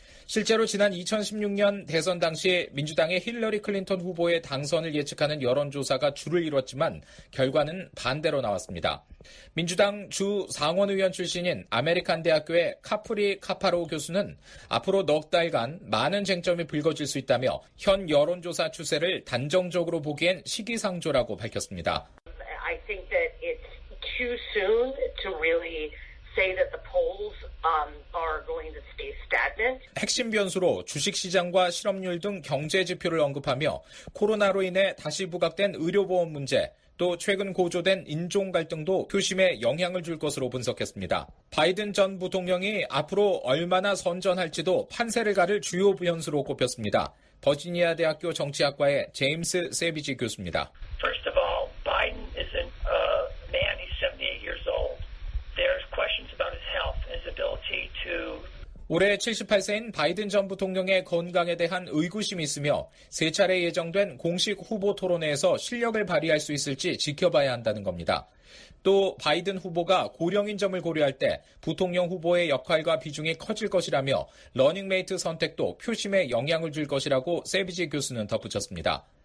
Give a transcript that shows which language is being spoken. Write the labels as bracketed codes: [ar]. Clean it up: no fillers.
[ko] 실제로 지난 2016년 대선 당시 민주당의 힐러리 클린턴 후보의 당선을 예측하는 여론조사가 주를 이뤘지만 결과는 반대로 나왔습니다. 민주당 주 상원의원 출신인 아메리칸 대학교의 카프리 카파로 교수는 앞으로 넉 달간 많은 쟁점이 불거질 수 있다며 현 여론조사 추세를 단정적으로 보기엔 시기상조라고 밝혔습니다. [en] I think that it's too soon to really say that the polls are going to stay stagnant. [ko] 핵심 변수로 주식 시장과 실업률 등 경제 지표를 언급하며 코로나로 인해 다시 부각된 의료보험 문제 또 최근 고조된 인종 갈등도 표심에 영향을 줄 것으로 분석했습니다. 바이든 전 부통령이 앞으로 얼마나 선전할지도 판세를 가를 주요 변수로 꼽혔습니다. 버지니아 대학교 정치학과의 제임스 세비지 교수입니다. [en] First of all, Biden is an man. He's 78 years old. There's questions about his health and his ability to. [ko] 올해 78세인 바이든 전 부통령의 건강에 대한 의구심이 있으며 세 차례 예정된 공식 후보 토론회에서 실력을 발휘할 수 있을지 지켜봐야 한다는 겁니다. 또 바이든 후보가 고령인 점을 고려할 때 부통령 후보의 역할과 비중이 커질 것이라며 러닝메이트 선택도 표심에 영향을 줄 것이라고 세비지 교수는 덧붙였습니다.